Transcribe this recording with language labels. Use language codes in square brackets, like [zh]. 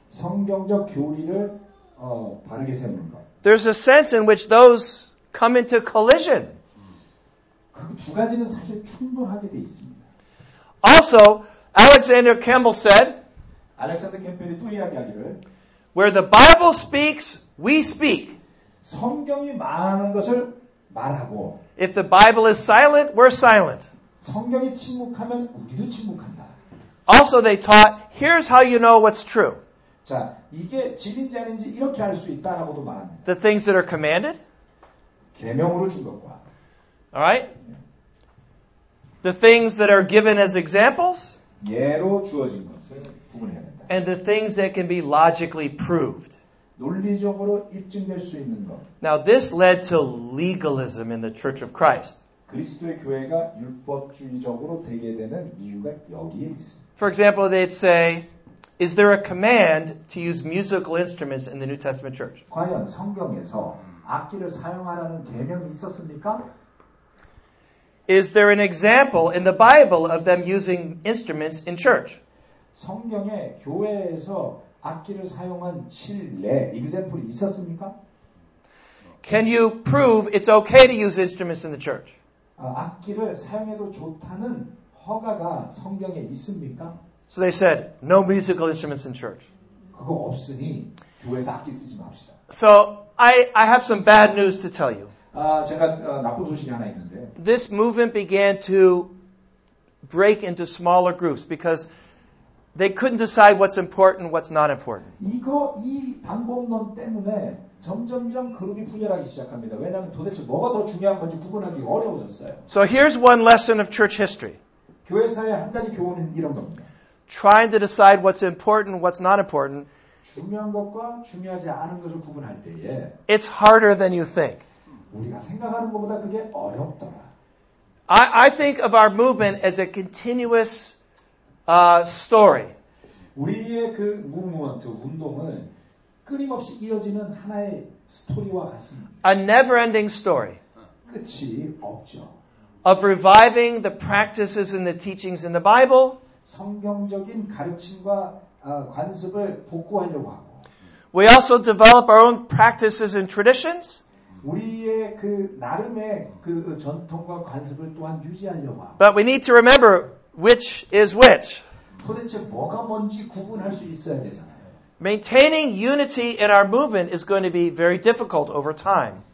[ko] 성경적 교리를 바르게 세우는 것. [en] There's a sense in which those come into collision. [ko] 그 두 가지는 사실 충돌하게 돼 있습니다. [en] Also, Alexander Campbell said, [ko] 알렉산더 캠벨이 또 이야기하기를, [en] where the Bible speaks, we speak. [ko] 성경이 말하는 것을 말하고, [en] if the Bible is silent, we're silent. [ko] 성경이 침묵하면 우리도 침묵한다. [en] Also, they taught, here's how you know what's true. [ko] 자, 이게 진인지 아닌지 이렇게 알 수 있다라고도 말합니다. [en] The things that are commanded. [ko] 계명으로 준 것과. [en] All right? The things that are given as examples. [ko] 예로 주어진 것을 구분해야 된다. [en] and the things that can be logically proved. [ko] 논리적으로 입증될 수 있는 것. [en] Now this led to legalism in the Church of Christ. [ko] 그리스도의 교회가 율법주의적으로 되게 되는 이유가 여기에 있습니다. [en] For example, they'd say, is there a command to use musical instruments in the New Testament church? [ko] 과연 성경에서 악기를 사용하라는 계명이 있었습니까? [en] Is there an example in the Bible of them using instruments in church? [ko] 성경에 교회에서 악기를 사용한 실례, 예example 있었습니까? [en] Can you prove it's okay to use instruments in the church? [ko] 악기를 사용해도 좋다는 허가가 성경에 있습니까? [en] So they said, no musical instruments in church. [ko] 그거 없으니 교회에서 악기 쓰지 맙시다. [en] So I have some bad news to tell you. [ko] 제가 나쁜 소식이 하나 있는데. [en] This movement began to break into smaller groups because they couldn't decide what's important, what's not important. [ko] 이 방법론 때문에 점점점 그룹이 분열하기 시작합니다. 왜냐하면 도대체 뭐가 더 중요한 건지 구분하기 어려워졌어요. [en] So here's one lesson of church history. [ko] 교회사의 한 가지 교훈은 이런 겁니다. [en] Trying to decide what's important, what's not important. [ko] 중요한 것과 중요하지 않은 것을 구분할 때에. [en] It's harder than you think. [ko] 우리가 생각하는 것보다 그게 어렵더라. [en] I think of our movement as a continuous story. [ko] 우리의 그 무브먼트 운동은 끊임없이 이어지는 하나의 스토리와 같습니다. [en] A never-ending story. [ko] 끝이 없죠. [en] Of reviving the practices and the teachings in the Bible. [ko] 성경적인 가르침과 관습을 복구하려고 하고. [en] We also develop our own practices and traditions. [ko] 우리의 그 나름의 그 전통과 관습을 또한 유지하려고 하고. [en] But we need to remember which is which. [ko] 도대체 뭐가 뭔지 구분할 수 있어야 되잖아요. [en] Maintaining unity in our movement is going to be very difficult over time.